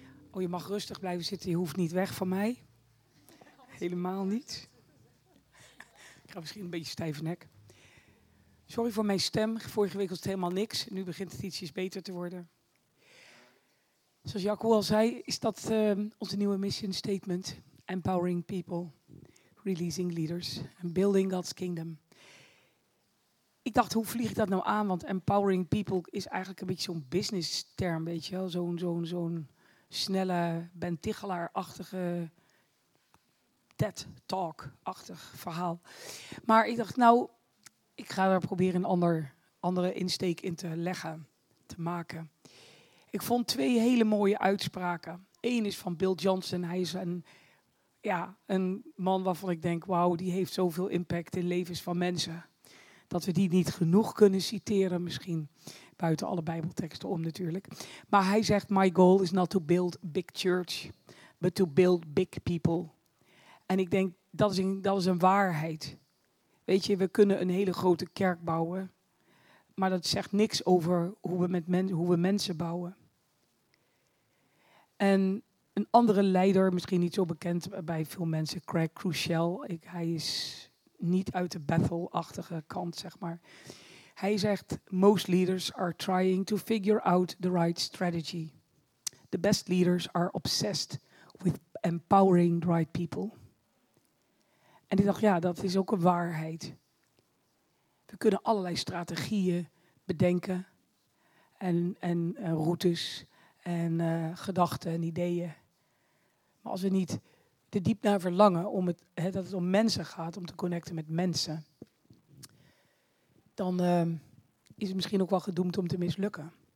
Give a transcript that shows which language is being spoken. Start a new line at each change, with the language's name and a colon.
Dutch: Oh, je mag rustig blijven zitten. Je hoeft niet weg van mij. Helemaal niet. Ik ga misschien een beetje stijve nek. Sorry voor mijn stem. Vorige week was het helemaal niks. Nu begint het ietsjes beter te worden. Zoals Jacco al zei, is dat onze nieuwe mission statement.
English: Empowering people, releasing leaders and building God's kingdom.
Dutch: Ik dacht, hoe vlieg ik dat nou aan? Want empowering people is eigenlijk een beetje zo'n business term, weet je wel. Zo'n snelle, Ben Tichelaar-achtige, TED Talk-achtig verhaal. Maar ik dacht, nou, ik ga er proberen een andere insteek in te leggen, te maken. Ik vond twee hele mooie uitspraken. Eén is van Bill Johnson. Hij is een man waarvan ik denk, wauw, die heeft zoveel impact in levens van mensen. Dat we die niet genoeg kunnen citeren, misschien buiten alle Bijbelteksten om natuurlijk. Maar hij zegt,
English: my goal is not to build big church, but to build big people.
Dutch: En ik denk, dat is een waarheid. Weet je, we kunnen een hele grote kerk bouwen, maar dat zegt niks over hoe we mensen bouwen. En een andere leider, misschien niet zo bekend bij veel mensen, Craig Crucial, hij is niet uit de Bethel-achtige kant, zeg maar. Hij zegt,
English: most leaders are trying to figure out the right strategy. The best leaders are obsessed with empowering the right people.
Dutch: En ik dacht, ja, dat is ook een waarheid. We kunnen allerlei strategieën bedenken en routes en gedachten en ideeën. Maar als we niet te diep naar verlangen om dat het om mensen gaat, om te connecten met mensen, dan is het misschien ook wel gedoemd om te mislukken.